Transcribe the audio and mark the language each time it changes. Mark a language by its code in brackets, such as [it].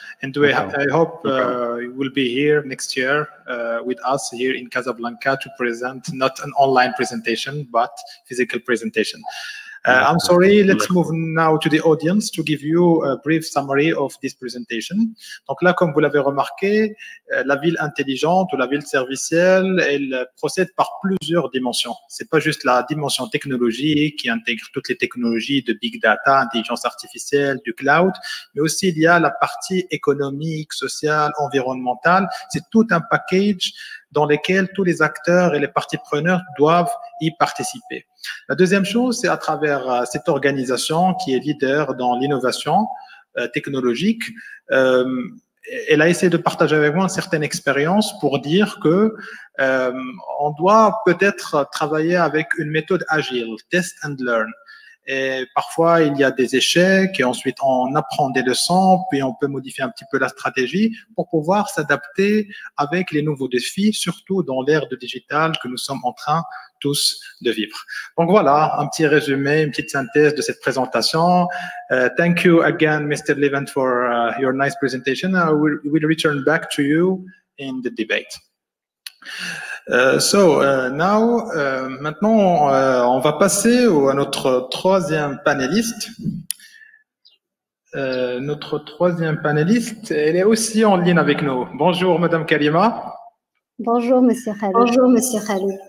[en] And I hope you will be here next year with us here in Casablanca to present not an online presentation, but physical presentation. I'm sorry, let's move now to the audience to give you a brief summary of this presentation. [fr] Donc là, comme vous l'avez remarqué, la ville intelligente ou la ville servicielle, elle procède par plusieurs dimensions. C'est pas juste la dimension technologique qui intègre toutes les technologies de big data, intelligence artificielle, du cloud, mais aussi il y a la partie économique, sociale, environnementale. C'est tout un package dans lesquels tous les acteurs et les parties prenantes doivent y participer. La deuxième chose, c'est à travers cette organisation qui est leader dans l'innovation technologique, elle a essayé de partager avec moi une certaine expérience pour dire que on doit peut-être travailler avec une méthode agile, [en] test and learn. [fr] Et parfois, il y a des échecs et ensuite on apprend des leçons, puis on peut modifier un petit peu la stratégie pour pouvoir s'adapter avec les nouveaux défis, surtout dans l'ère du digital que nous sommes en train tous de vivre. Donc voilà, un petit résumé, une petite synthèse de cette présentation. [en] Thank you again, Mr. Levent, for your nice presentation. I will return back to you in the debate. [fr] Maintenant, on va passer à notre troisième panéliste. Notre troisième panéliste, elle est aussi en ligne avec nous. Bonjour, Madame Karima. Bonjour, Monsieur Khalil. Bonjour, Monsieur Khalil.